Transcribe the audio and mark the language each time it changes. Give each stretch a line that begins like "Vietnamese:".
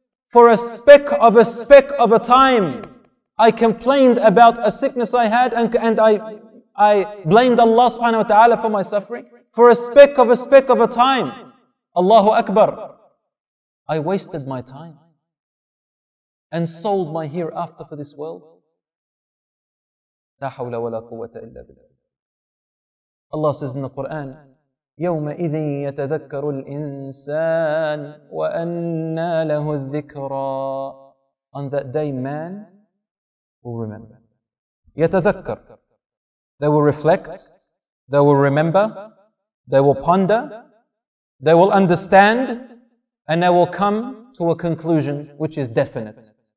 English: For a speck of a speck of a time, I complained about a sickness I had and I blamed Allah subhanahu wa ta'ala for my suffering. For a speck of a speck of a time, Allahu Akbar, I wasted my time and sold my hereafter for this world.
Arabic: La hawla wa la quwwata illa billah.
English: Allah says in the Quran,
Arabic: يَوْمَئِذٍ يَتَذَكَّرُ الْإِنسَانِ وَأَنَّا لَهُ الذِّكْرَى.
English: On that day, man will remember. يَتَذَكَّر. They will reflect. They will remember. They will ponder. They will understand. And they will come to a conclusion which is definite.